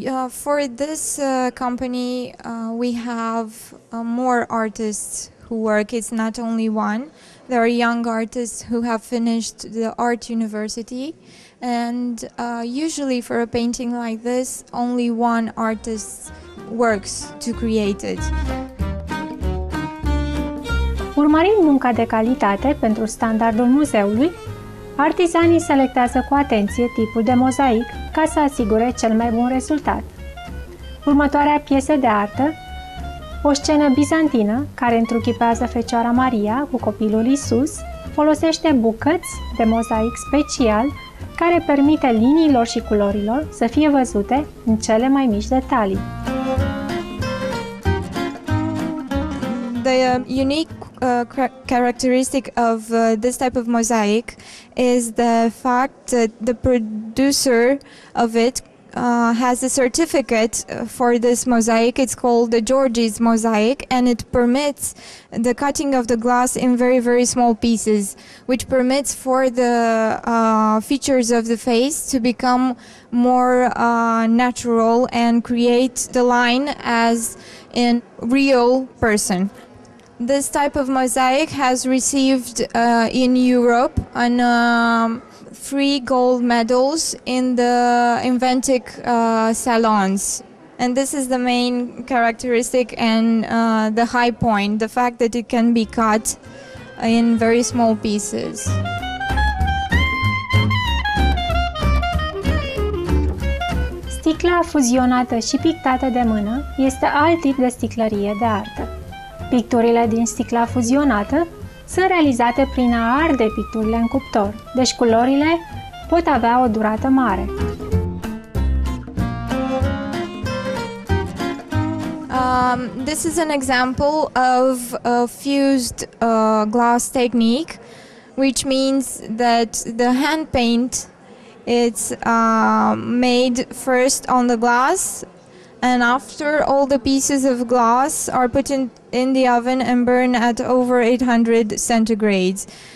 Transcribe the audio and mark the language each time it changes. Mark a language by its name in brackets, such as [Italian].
[English] For this company, we have more artists who work. It's not only one. There are young artists who have finished the art university. And usually for a painting like this, only one artist works to create it. [Romanian] Urmărind munca de calitate pentru standardul muzeului, artizanii selectează cu atenție tipul de mozaic ca să asigure cel mai bun rezultat. Următoarea piesă de artă, o scenă bizantină care întruchipează Fecioara Maria cu copilul Isus, folosește bucăți de mozaic special care permite liniilor și culorilor să fie văzute în cele mai mici detalii. [English] The unique characteristic of this type of mosaic is the fact that the producer of it has a certificate for this mosaic. It's called the Artgeorgies mosaic, and it permits the cutting of the glass in very, very small pieces, which permits for the features of the face to become more natural and create the line as in real person. This type of mosaic has received in Europe an three gold medals in the Inventic salons. And this is the main characteristic and the high point, the fact that it can be cut in very small pieces. [Romanian] Sticla fuzionată și pictată de mână este alt tip de sticlărie de artă. Picturile din sticla fuzionată sunt realizate prin a arde picturile în cuptor, deci culorile pot avea o durată mare. [English] This is an example of a fused glass technique, which means that the hand paint is made first on the glass, and after all the pieces of glass are put in the oven and burn at over 800 centigrades.